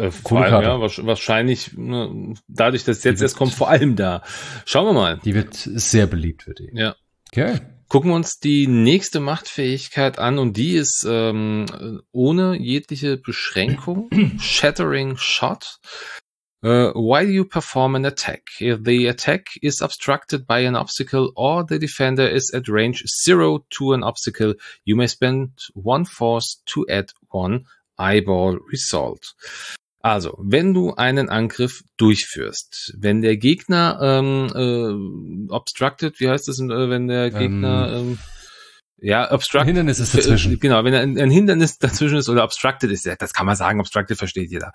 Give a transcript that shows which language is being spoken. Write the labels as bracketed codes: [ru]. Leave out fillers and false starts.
[de] Wahrscheinlich dadurch, dass jetzt erst kommt, vor allem da. Schauen wir mal. Die wird sehr beliebt für dich. Ja. Okay. Gucken wir uns die nächste Machtfähigkeit an und die ist ohne jegliche Beschränkung. [en] Shattering Shot. While you perform an attack, if the attack is obstructed by an obstacle or the defender is at range 0 to an obstacle, you may spend one force to add one eyeball result. [de] Also, wenn du einen Angriff durchführst, wenn der Gegner obstructed, wie heißt das, wenn der Gegner [en] obstructed. [de] Hindernis ist dazwischen. Genau, wenn ein Hindernis dazwischen ist oder obstructed ist, das kann man sagen, obstructed versteht jeder.